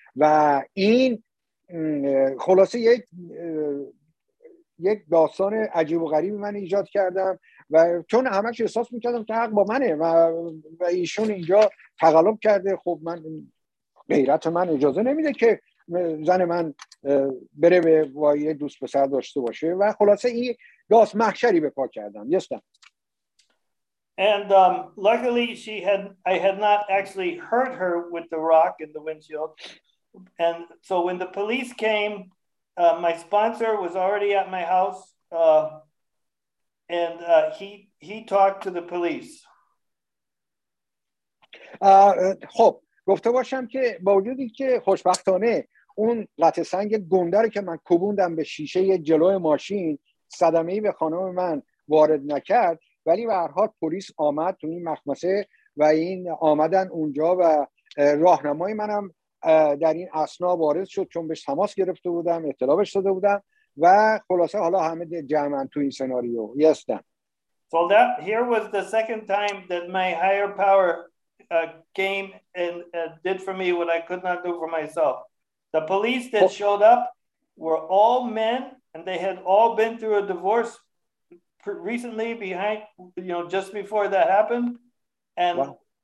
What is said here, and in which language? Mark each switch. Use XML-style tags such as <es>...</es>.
<fa>و این خلاصه یک داستان عجیب و غریبی من ایجاد کردم و چون همش احساس می‌کردم که حق با منه و ایشون اینجا تقلب کرده، خب من غیرت من اجازه نمیده که زن من بره به وای دوست پسر داشته باشه و خلاصه این داست محشری به پا کردم. یستم.</fa> <en>And luckily I had not actually hurt her with the rock in the windshield. And so when the police came, my sponsor was already at my house and he talked to the police.</en> <fa>خب گفته باشم که با وجودی که خوشبختانه اون قطع سنگ گنده رو که من کوبوندم به شیشه جلوی ماشین صدمه‌ای به خانم من وارد نکرد، ولی به هر حال پلیس آمد تو این مخمصه و این آمدن اونجا و راهنمای منم در این اسنا وارد شد، چون بهش تماس گرفته بودم، اطلاع بهش داده بودم و خلاصه حالا همه جمعن تو این سناریو هستن.</fa> <en>So that here was the second time that my higher power came and did for me what I could not do for myself. The police that showed up were all men and they had all been through a divorce recently behind, you know, just before that happened. And wow.</en>